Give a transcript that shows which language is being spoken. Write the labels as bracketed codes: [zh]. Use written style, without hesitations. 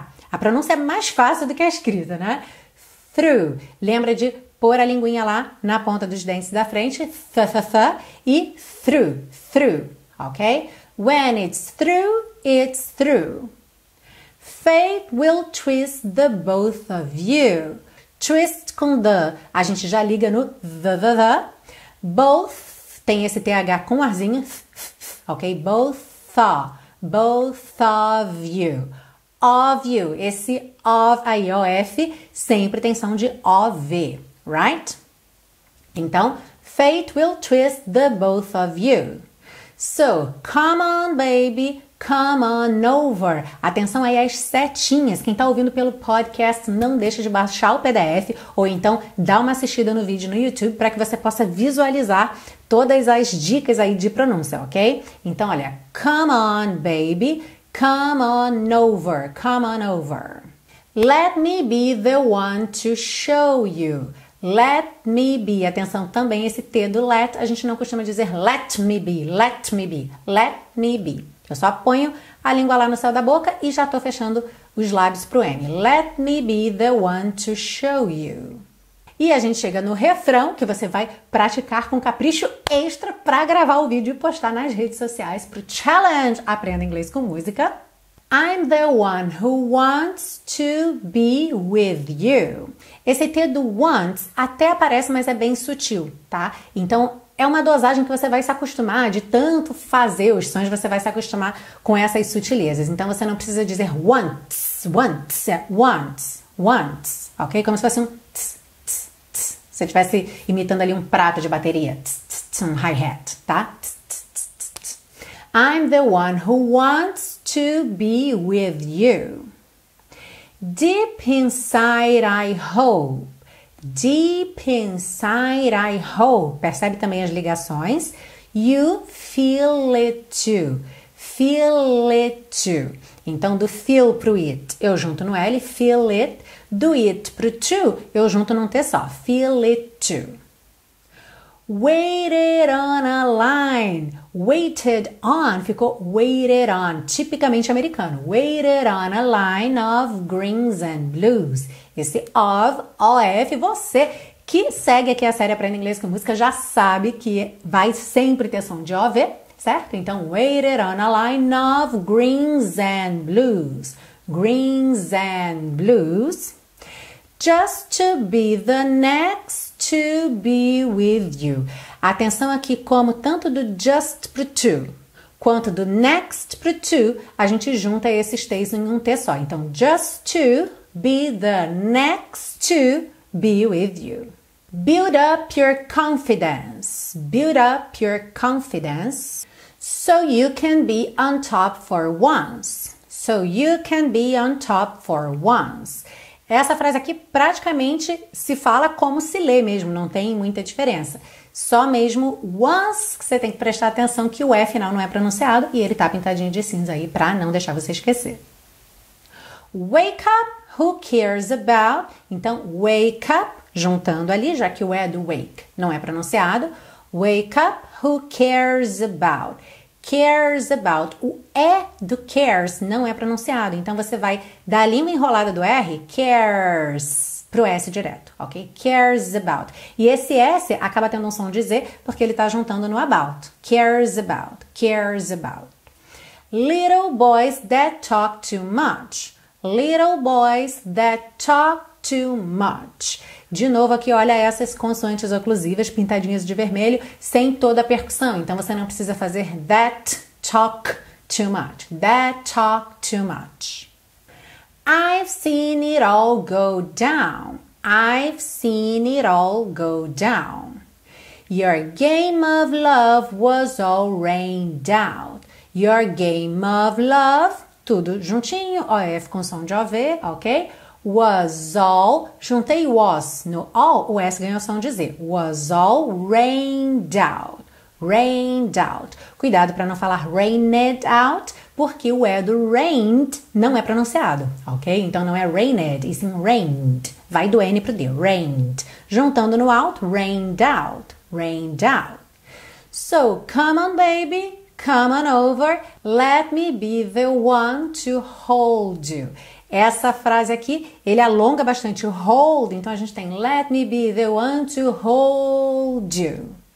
[pt] A pronúncia é mais fácil do que a escrita, né? Through. Lembra de pôr a linguinha lá na ponta dos dentes da frente, fa-fa-fa, e through, through, ok? [en] When it's through, fate will twist the both of you. [pt] Twist com the, a gente já liga no the, both, tem esse TH com arzinho, ok? [en] Both of you. Of you, [pt] esse of aí, O-F, sempre tem som de O-V. Right? [en] Então, fate will twist the both of you. So, come on, baby, come on over. [pt] Atenção aí às setinhas. Quem está ouvindo pelo podcast, não deixa de baixar o PDF ou então dá uma assistida no vídeo no YouTube para que você possa visualizar todas as dicas aí de pronúncia, ok? Então, olha, [en] come on, baby, Come on over, come on over. Let me be the one to show you. Let me be. [pt] Atenção também, esse T do let, a gente não costuma dizer [en] let me be, let me be, let me be. [pt] Eu só ponho a língua lá no céu da boca e já estou fechando os lábios pro M. [en] Let me be the one to show you. [pt] E a gente chega no refrão, que você vai praticar com capricho extra para gravar o vídeo e postar nas redes sociais pro challenge Aprenda Inglês com Música. [en] I'm the one who wants to be with you. [pt] Esse T do wants até aparece, mas é bem sutil, tá? Então, é uma dosagem que você vai se acostumar de tanto fazer os sons, você vai se acostumar com essas sutilezas. Então, você não precisa dizer wants, wants, wants, wants, ok? Como se fosse um tss, tss, tss. Se você estivesse imitando ali um prato de bateria, tss, tss, tss, um hi-hat, tá? Tss, tss, tss, tss, tss. [en] I'm the one who wants to be with you. Deep inside, I hope. Deep inside, I hope. [pt] Percebe também as ligações. [en] You feel it too. Feel it too. [pt] Então, do feel pro it, eu junto no L, [en] feel it. [pt] Do it pro to, eu junto num T só. [en] Feel it too. Waited on a line. Waited on, [pt] ficou [en] waited on. [pt] Tipicamente americano. [en] Waited on a line of greens and blues. [pt] Esse of, O-F, você que segue aqui a série Aprenda Inglês com Música já sabe que vai sempre ter som de O-V, certo? [en] Então, waited on a line of greens and blues. Greens and blues. Just to be the next to be with you. [pt] Atenção aqui, como tanto do just pro to, quanto do next pro to, a gente junta esses T's em um T só. [en] Então, just to be the next to be with you. Build up your confidence. Build up your confidence. So you can be on top for once. So you can be on top for once. [pt] Essa frase aqui praticamente se fala como se lê mesmo. Não tem muita diferença. Só mesmo once que você tem que prestar atenção que o E final não é pronunciado. E ele tá pintadinho de cinza aí pra não deixar você esquecer. [en] Wake up. Who cares about? [pt] Então, [en] wake up, [pt] juntando ali, já que o E do wake não é pronunciado. [en] Wake up, who cares about? Cares about. [pt] O E do cares não é pronunciado. Então, você vai dar ali uma enrolada do R, cares, pro S direto, ok? [en] Cares about. [pt] E esse S acaba tendo um som de Z, porque ele tá juntando no about. [en] Cares about, cares about. Little boys that talk too much. Little boys that talk too much. [pt] De novo aqui, olha essas consoantes oclusivas pintadinhas de vermelho, sem toda a percussão. Então, você não precisa fazer [en] that talk too much. That talk too much. I've seen it all go down. I've seen it all go down. Your game of love was all rained out. Your game of love... [pt] Tudo juntinho, OF com som de OV, ok? [en] Was all, [pt] juntei was no all, o S ganhou som de Z. [en] Was all rained out, rained out. [pt] Cuidado para não falar [en] rained out, [pt] porque o E do rained não é pronunciado, ok? Então não é rained, e sim rained. Vai do N pro D, rained. Juntando no out, [en] rained out, rained out. So, come on, baby. Come on over, let me be the one to hold you. [pt] Essa frase aqui, ele alonga bastante o hold, então a gente tem [en] let me be the one to hold you.